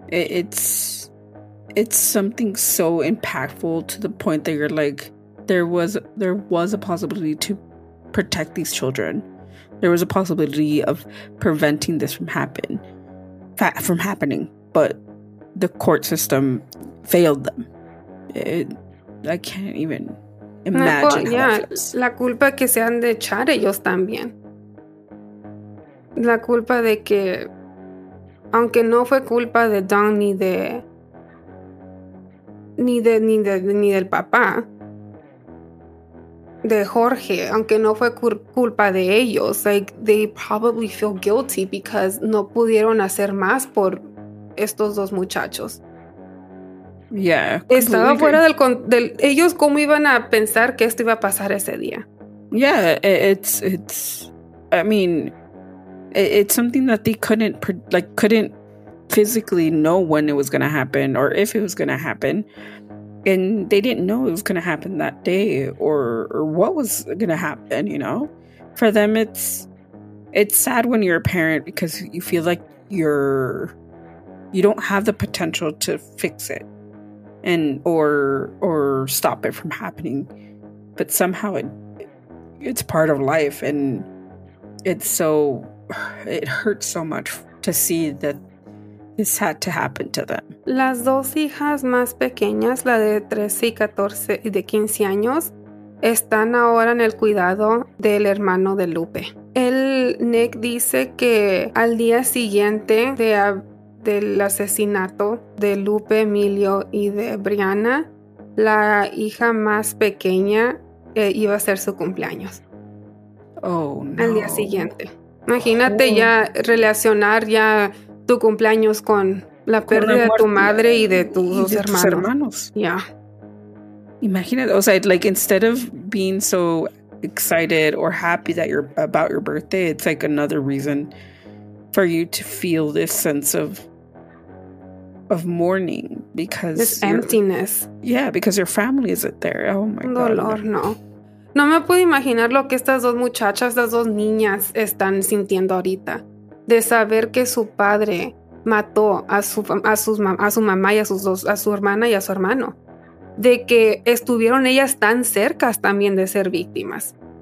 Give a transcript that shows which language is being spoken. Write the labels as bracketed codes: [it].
[en] It's something so impactful to the point that you're like, there was a possibility to protect these children. There was a possibility of preventing this from happening, but the court system failed them. I can't even imagine. [es] Yeah, la culpa que se han de echar ellos también. La culpa de que, aunque no fue culpa de Don ni del papá de Jorge, aunque no fue culpa de ellos, like, [en] they probably feel guilty because [es] no pudieron hacer más por estos dos muchachos. [en] Yeah, [es] estaba fuera del ellos, ¿cómo iban a pensar que esto iba a pasar ese día? [en] Yeah, it's something that they couldn't physically know when it was going to happen or if it was going to happen, and they didn't know it was going to happen that day or what was going to happen, you know. For them, it's sad when you're a parent because you feel like you don't have the potential to fix it and or stop it from happening, but somehow it's part of life, and it hurts so much to see that this had to happen to them. [es] Las dos hijas más pequeñas, la de 13 y 14 y de 15 años, están ahora en el cuidado del hermano de Lupe. El Nick dice que al día siguiente del asesinato de Lupe, Emilio y de Brianna, la hija más pequeña iba a ser su cumpleaños. [en] Oh, no. [es] Al día siguiente. Imagínate ya relacionar ya tu cumpleaños con la pérdida de tu madre y de tus hermanos. [en] Yeah. [es] Imagínate, o sea, [en] like, instead of being so excited or happy that you're about your birthday, it's like another reason for you to feel this sense of mourning because this emptiness. Yeah, because your family isn't there. Oh my God. [es] Dolor, no. No me puedo imaginar lo que estas dos muchachas, estas dos niñas están sintiendo ahorita. De saber que su padre mató a su mamá y a su hermana y a su hermano. De que estuvieron ellas tan cercas también de ser víctimas.